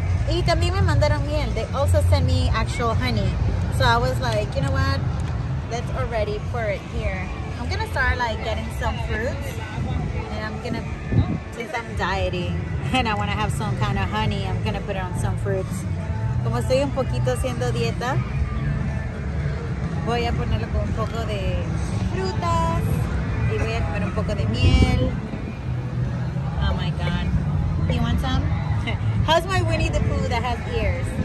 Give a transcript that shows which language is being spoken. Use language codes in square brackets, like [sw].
[es] Y también me mandaron miel. [en] They also sent me actual honey. So I was like, you know what? Let's already pour it here. I'm gonna start like getting some fruits, and I'm gonna, since I'm dieting, and I want to have some kind of honey, I'm going to put it on some fruits. [es] Como estoy un poquito haciendo dieta, voy a ponerlo con un poco de frutas y voy a comer un poco de miel. [en] Oh my god. You want some? How's my Winnie the Pooh that has ears?